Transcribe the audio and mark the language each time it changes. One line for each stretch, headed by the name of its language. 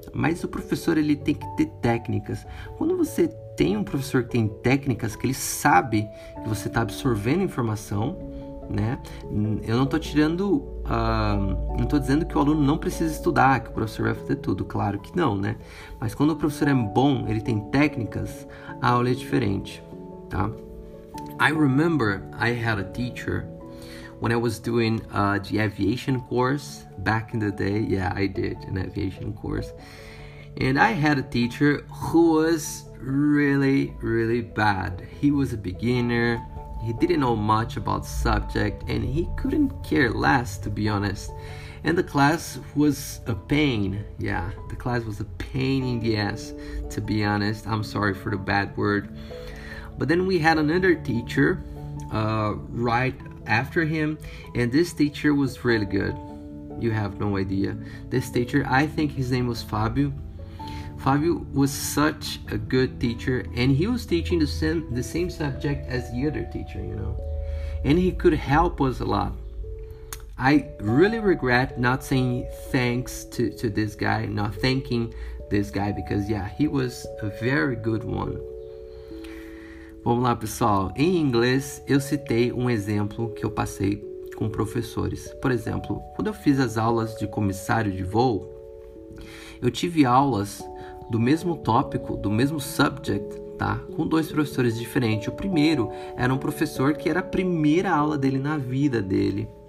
Portuguese: Mas o professor, ele tem que ter técnicas. Quando você tem um professor que tem técnicas, que ele sabe que você está absorvendo informação, né? Eu não estou tirando, não estou dizendo que o aluno não precisa estudar, que o professor vai fazer tudo, claro que não, né? Mas quando o professor é bom, ele tem técnicas, a aula é diferente, tá?
English: I remember I had a teacher when I was doing the aviation course back in the day. Yeah, I did an aviation course. And I had a teacher who was really, really bad. He was a beginner. He didn't know much about the subject and he couldn't care less, to be honest. And the class was a pain. Yeah, the class was a pain in the ass, to be honest. I'm sorry for the bad word. But then we had another teacher right after him, and this teacher was really good. You have no idea. This teacher, I think his name was Fabio. Fabio was such a good teacher, and he was teaching the same subject as the other teacher, you know. And he could help us a lot. I really regret not saying thanks to this guy, not thanking this guy, because yeah, he was a very good one.
Portuguese: Vamos lá, pessoal. Em inglês, eu citei exemplo que eu passei com professores. Por exemplo, quando eu fiz as aulas de comissário de voo, eu tive aulas do mesmo tópico, do mesmo subject, tá? Com dois professores diferentes. O primeiro era um professor que era a primeira aula dele na vida dele.